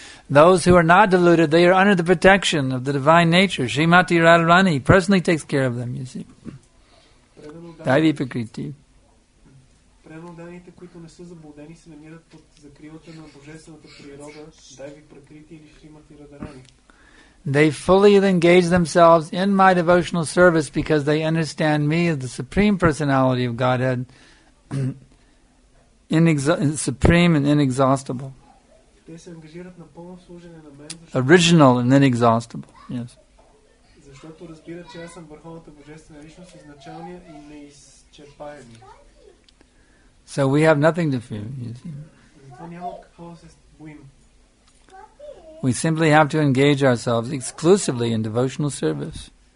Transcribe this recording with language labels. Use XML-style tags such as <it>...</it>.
<en>Those who are not deluded, they are under the protection of the divine nature. Srimati Radharani personally takes care of them, you see.</en> <sa>Дави покрити.</sa> <bg>Преданите, които не са заблудени, се намират под закрилата на божествената природа. Дави покрити или Шримати Радарани.</bg> <en>They fully engage themselves in my devotional service because they understand me as the Supreme Personality of Godhead, supreme and inexhaustible.</en> <bg>Те се ангажират на пълно служене на мен.</bg> <en>Original and inexhaustible. Yes.</en> <bg>Защото разбира, че аз съм върховната божествена личност, изначалния и неизчерпаеми.</bg> <en>So we have nothing to fear, you see.</en> <bg>Затова няма какво да се боим.</bg> <en>We simply have to engage ourselves exclusively in devotional service.</en>